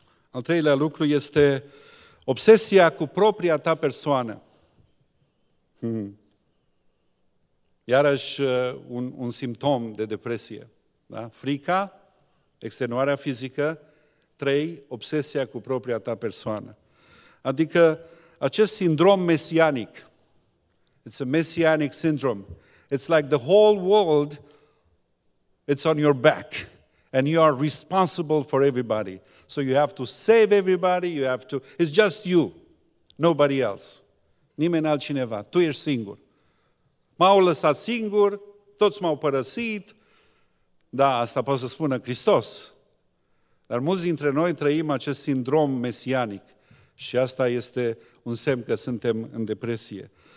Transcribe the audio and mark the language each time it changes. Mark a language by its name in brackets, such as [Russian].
[Romanian] Al treilea lucru este obsesia cu propria ta persoană. Iarăși un simptom de depresie. Da? Frica, extenuarea fizică, trei, obsesia cu propria ta persoană. Adică acest sindrom mesianic, [English] it's a messianic syndrome, it's like the whole world, it's on your back, and you are responsible for everybody. So you have to save everybody, it's just you, nobody else. [Romanian] Nimeni altcineva, tu ești singur. M-au lăsat singur, toți m-au părăsit, da, asta poate să spună Hristos. Dar mulți dintre noi trăim acest sindrom mesianic. Și asta este un semn că suntem în depresie.